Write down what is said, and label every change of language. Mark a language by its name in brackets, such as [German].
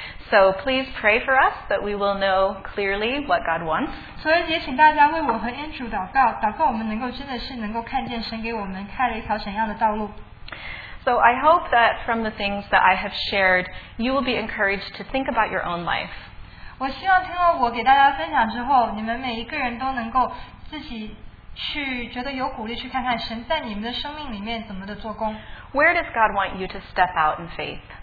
[English] So please pray for us that we will know clearly what God wants. [Chinese] 所以也请大家为我和Andrew祷告，祷告我们能够真的是能够看见神给我们开了一条怎样的道路。 [English] So I hope that from the things that I have shared, you will be encouraged to think about your own life. [Chinese] 我希望听了我给大家分享之后，你们每一个人都能够自己去觉得有鼓励去看看神在你们的生命里面怎么的做工。 [English] Where does God want you to step out in faith?